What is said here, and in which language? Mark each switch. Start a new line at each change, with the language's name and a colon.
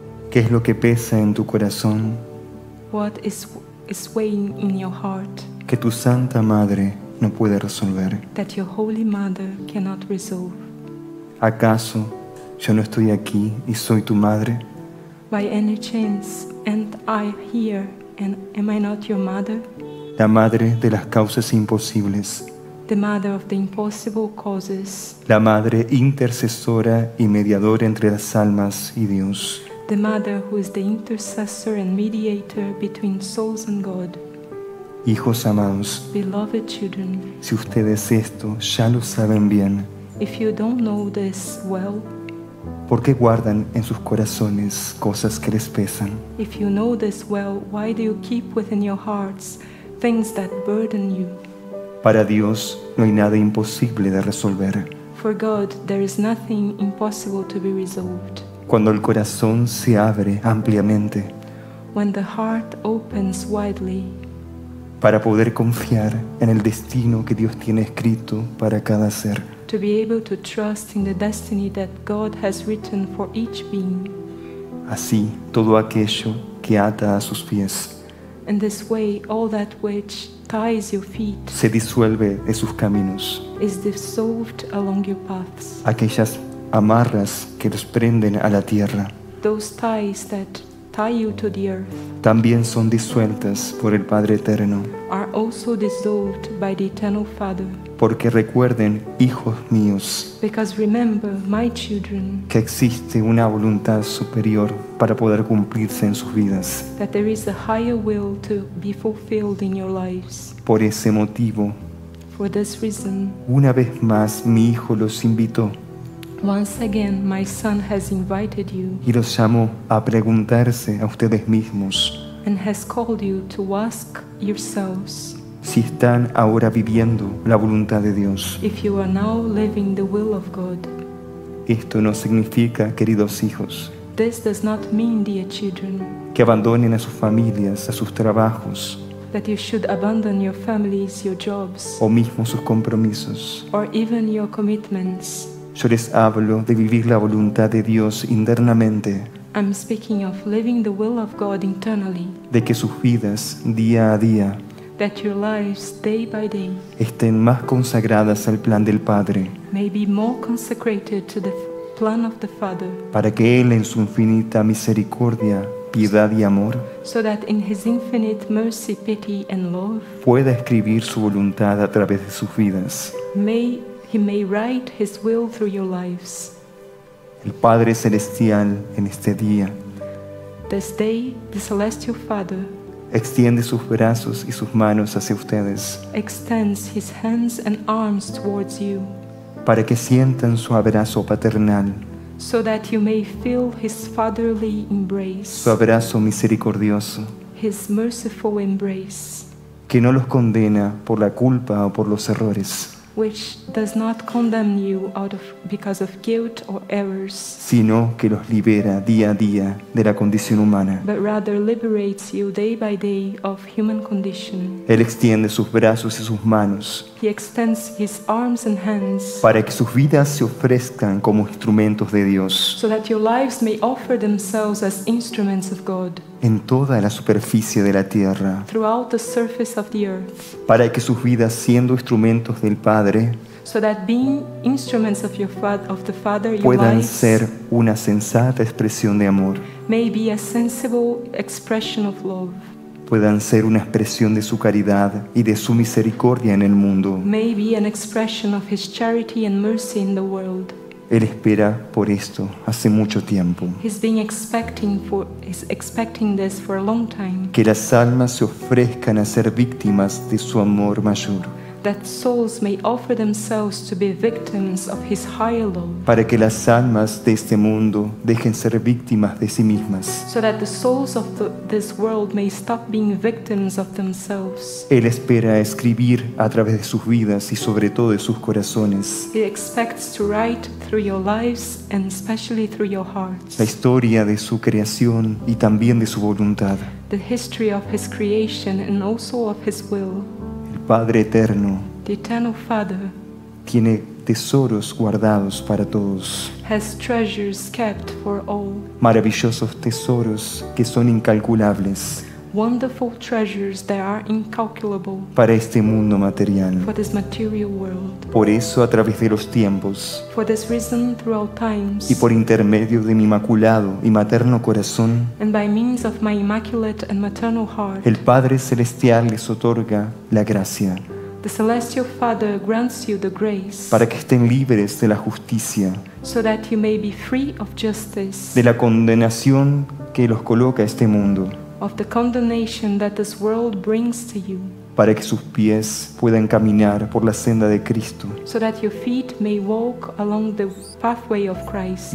Spanish: ¿Qué es lo que pesa en tu corazón?
English: What is weighing in your heart?
Spanish: Que tu santa madre no puede resolver.
English: That your holy mother cannot resolve.
Spanish: ¿Acaso yo no estoy aquí y soy tu madre?
English: By any chance and I here and am I not your mother?
Spanish: La madre de las causas imposibles.
English: The mother of the impossible causes.
Spanish: La madre intercesora y mediadora entre las almas y Dios.
English: The mother who is the intercessor and mediator between souls and God.
Spanish: Hijos amados.
English: Beloved children.
Spanish: Si ustedes esto ya lo saben bien.
English: If you don't know this well.
Spanish: ¿Por qué guardan en sus corazones cosas que les pesan?
English: If you know this well, why do you keep within your hearts things that burden you?
Spanish: Para Dios no hay nada imposible de resolver.
English: For God there is nothing impossible to be resolved.
Spanish: Cuando el corazón se abre ampliamente.
English: When the heart opens widely.
Spanish: Para poder confiar en el destino que Dios tiene escrito para cada ser.
English: To be able to trust in the destiny that God has written for each being.
Spanish: Así todo aquello que ata a sus pies.
English: In this way, all that which ties your feet
Spanish: se disuelve de sus caminos.
English: Is dissolved along your paths.
Spanish: Aquellas amarras que los prenden a la tierra.
English: Those ties that tie you to the earth.
Spanish: También son disueltas por el Padre Eterno.
English: Are also dissolved by the Eternal Father.
Spanish: Porque recuerden, hijos míos.
English: Because remember, my children.
Spanish: Que existe una voluntad superior para poder cumplirse en sus vidas.
English: That there is a higher will to be fulfilled in your lives.
Spanish: Por ese motivo.
English: For this reason.
Spanish: Una vez más, mi hijo los invitó.
English: Once again, my son has invited you.
Spanish: Y los llamó a preguntarse a ustedes mismos.
English: And has called you to ask yourselves.
Spanish: Si están ahora viviendo la voluntad de Dios.
English: If you are now living the will of God.
Spanish: Esto no significa, queridos hijos.
English: This does not mean, dear children.
Spanish: Que abandonen a sus familias, a sus trabajos.
English: That you should abandon your families, your jobs.
Spanish: O mismo sus compromisos.
English: Or even your commitments.
Spanish: Yo les hablo de vivir la voluntad de Dios internamente.
English: I'm speaking of living the will of God internally.
Spanish: De que sus vidas día a día.
English: That your lives day by day.
Spanish: Estén más consagradas al plan del Padre.
English: May be more consecrated to the plan of the Father.
Spanish: Para que Él en su infinita misericordia, piedad y amor.
English: So that in His infinite mercy, pity and love.
Spanish: Pueda escribir su voluntad a través de sus vidas.
English: He may write His will through your lives.
Spanish: El Padre Celestial en este día.
English: This day, the Celestial Father.
Spanish: Extiende sus brazos y sus manos hacia ustedes.
English: Extends His hands and arms towards you.
Spanish: Para que sientan su abrazo paternal.
English: So that you may feel His fatherly embrace.
Spanish: Su abrazo misericordioso.
English: His merciful embrace.
Spanish: Que no los condena por la culpa o por los errores.
English: Which does not condemn you out of because of guilt or errors,
Spanish: sino que los libera día a día de la condición humana,
English: but rather liberates you day by day of human condition.
Spanish: Él extiende sus brazos y sus manos,
English: he extends his arms and hands,
Spanish: para que sus vidas se ofrezcan como instrumentos de Dios,
English: so that your lives may offer themselves as instruments of God.
Spanish: En toda la superficie de la tierra.
English: Throughout the surface of the earth.
Spanish: Para que sus vidas siendo instrumentos del Padre.
English: So that being instruments of, the Father,
Spanish: puedan ser una sensata expresión de amor.
English: May be a sensible expression of love.
Spanish: Puedan ser una expresión de su caridad y de su misericordia en el mundo.
English: May be an expression of His charity and mercy in the world.
Spanish: Él espera por esto hace mucho tiempo.
English: He's been expecting this for a long time.
Spanish: Que las almas se ofrezcan a ser víctimas de su amor mayor.
English: that souls may offer themselves to be victims of his higher love.
Spanish: Para que las almas de este mundo dejen ser víctimas de sí mismas.
English: So that the souls of this world may stop being victims of themselves.
Spanish: Él espera escribir a través de sus vidas y sobre todo de sus corazones.
English: He expects to write through your lives and especially through your hearts.
Spanish: La historia de su creación y también de su voluntad.
English: The history of his creation and also of his will.
Spanish: Padre eterno,
English: the Eternal Father,
Spanish: tiene tesoros guardados para todos.
English: Has treasures kept for all.
Spanish: Maravillosos tesoros que son incalculables.
English: Wonderful treasures that are incalculable.
Spanish: Para este mundo material.
English: For this material world.
Spanish: Por eso a través de los tiempos.
English: For this reason throughout times.
Spanish: Y por intermedio de mi inmaculado y materno corazón.
English: And by means of my immaculate and maternal heart.
Spanish: El Padre Celestial les otorga la gracia.
English: The Celestial Father grants you the grace.
Spanish: Para que estén libres de la justicia.
English: So that you may be free of justice.
Spanish: De la condenación que los coloca este mundo.
English: Of the condemnation that this world brings to you.
Spanish: Para que sus pies puedan caminar por la senda de Cristo.
English: So that your feet may walk along the pathway of Christ.